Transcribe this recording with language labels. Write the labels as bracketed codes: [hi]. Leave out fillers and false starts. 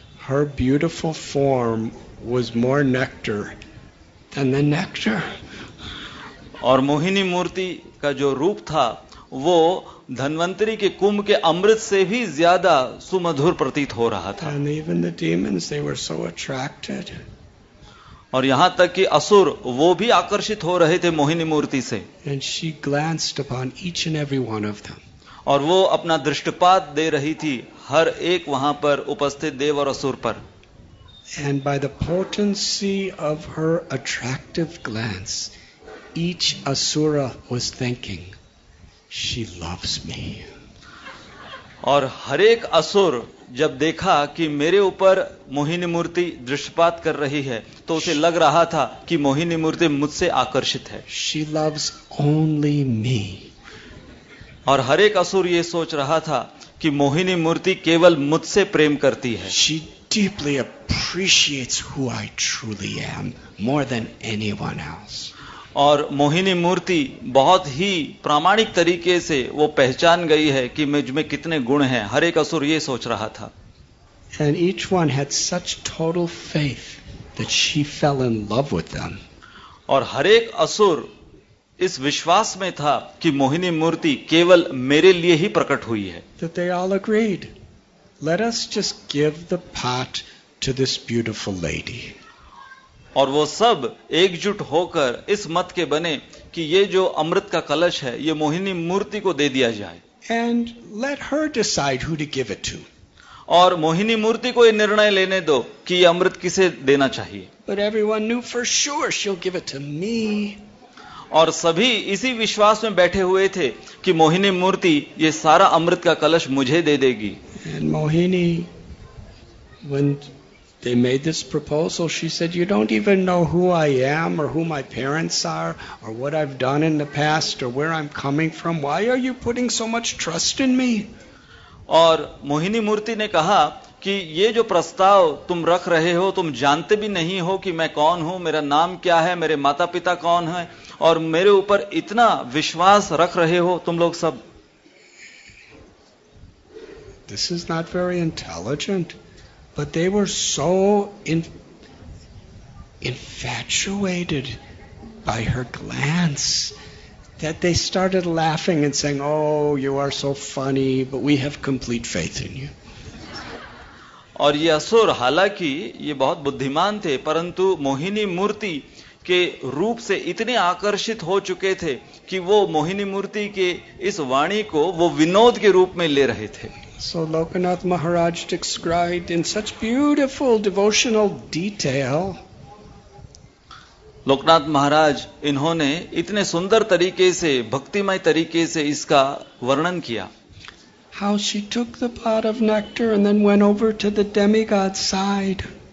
[en] Her beautiful form was more nectar than the nectar. [hi] और मोहिनी मूर्ति का जो रूप था वो धन्वंतरी के कुंभ के अमृत से भी ज्यादा सुमधुर प्रतीत हो रहा था. [en] And even the demons, they were so attracted. [hi] और यहां तक कि असुर वो भी आकर्षित हो रहे थे मोहिनी मूर्ति से. [en] And she glanced upon each and every one of them. [hi] और वो अपना दृष्टिपात दे रही थी हर एक वहां पर उपस्थित देव और असुर पर. [en] And by the potency of her attractive glance, each asura was thinking, she loves me. [hi] और हर एक असुर जब देखा कि मेरे ऊपर मोहिनी मूर्ति दृष्टिपात कर रही है तो उसे लग रहा था कि मोहिनी मूर्ति मुझसे आकर्षित है. [en] She loves only me. [hi] और हर एक असुर ये सोच रहा था कि मोहिनी मूर्ति केवल मुझसे प्रेम करती है. [en] She deeply appreciates who I truly am more than anyone else. [hi] और मोहिनी मूर्ति बहुत ही प्रामाणिक तरीके से वो पहचान गई है कि मुझमें कितने गुण हैं. हर एक असुर ये सोच रहा था. [en] And each one had such total faith that she fell in love with them. [hi] और हर एक असुर इस विश्वास में था कि मोहिनी मूर्ति केवल मेरे लिए ही प्रकट हुई है. [en] That they all agreed, let us just give the pot to this beautiful lady. [hi] और वो सब एकजुट होकर इस मत के बने कि ये जो अमृत का कलश है ये मोहिनी मूर्ति को दे दिया जाए. [en] And let her decide who to give it to. [hi] और मोहिनी मूर्ति को ये निर्णय लेने दो कि ये अमृत किसे देना चाहिए. [en] But everyone knew for sure she'll give it to me. [hi] और सभी इसी विश्वास में बैठे हुए थे कि मोहिनी मूर्ति ये सारा अमृत का कलश मुझे दे देगी. [en] And Mohini, when they made this proposal, she said, you don't even know who I am or who my parents are or what I've done in the past or where I'm coming from. Why are you putting so much trust in me? [hi] और मोहिनी मूर्ति ने कहा कि ये जो प्रस्ताव तुम रख रहे हो तुम जानते भी नहीं हो कि मैं कौन हूँ, मेरा नाम क्या है, मेरे माता पिता कौन है और मेरे ऊपर इतना विश्वास रख रहे हो तुम लोग सब. [en] This is not very intelligent. But they were so infatuated by her glance that they started laughing and saying, oh, you are so funny, but we have complete faith in you. [hi] और ये असुर हालांकि ये बहुत बुद्धिमान थे परंतु मोहिनी मूर्ति के रूप से इतने आकर्षित हो चुके थे कि वो मोहिनी मूर्ति के इस वाणी को वो विनोद के रूप में ले रहे थे. [en] So Lokanath Maharaj described in such beautiful devotional detail. [hi] Lokanath Maharaj, इन्होंने इतने सुंदर तरीके से, भक्तिमय तरीके से इसका वर्णन किया. [en] How she took the pot of nectar and then went over to the demigod's side.